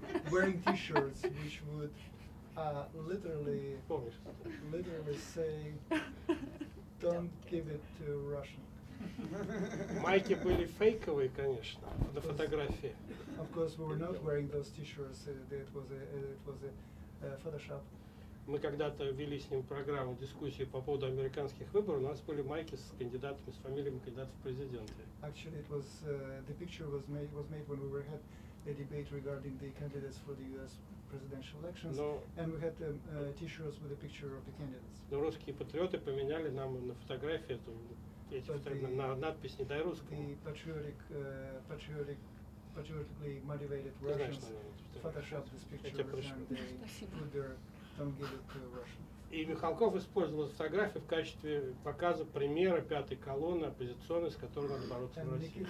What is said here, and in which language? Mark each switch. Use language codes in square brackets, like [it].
[en] Wearing t-shirts, which would literally say, "Don't give it to Russian." [ru] Майки были фейковые, конечно, на фотографии. [en] Of course, we were not wearing those t-shirts. It was a Photoshop. [ru] Мы когда-то вели с ним программу дискуссии по поводу американских выборов. У нас были майки с кандидатами, с фамилиями кандидатов в президенты. [en] Actually, it was the picture was made when we were had a debate regarding the candidates for the U.S. presidential elections, and we had t-shirts with a picture of the candidates. [ru] Но русские патриоты поменяли нам на фотографии эту. Надпись «Не дай русскому». [en] Patriotically motivated Russians photoshopped this picture and they put their "Don't give it to Russian". [ru] И Михалков использовал фотографию в качестве показа примера пятой колонны оппозиционной, с которой надо бороться в России.